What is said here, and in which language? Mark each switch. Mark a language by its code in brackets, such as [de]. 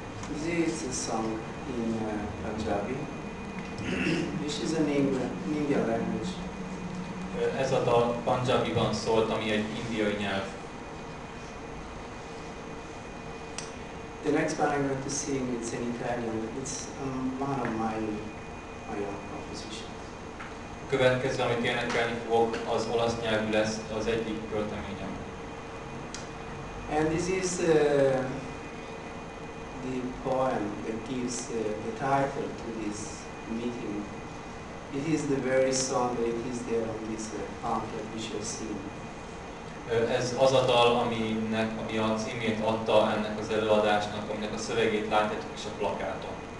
[en] This is a song in Punjabi, which is an Indian language. [hu] Ez a dal Punjabiban szólt, ami egy indiai nyelv. [en] The next one I'm going to sing, it's in Italian. It's a man of my own composition. [hu] A következő, amit énekelni fogok, az olasz nyelvű lesz, az egyik költeményem. [en] And this is the poem that gives the title to this meeting. It is the very song that it is there on this pamphlet which you've seen. [hu] Ez az a dal, ami a címét adta ennek az előadásnak, aminek a szövegét láthatjuk is a plakáton.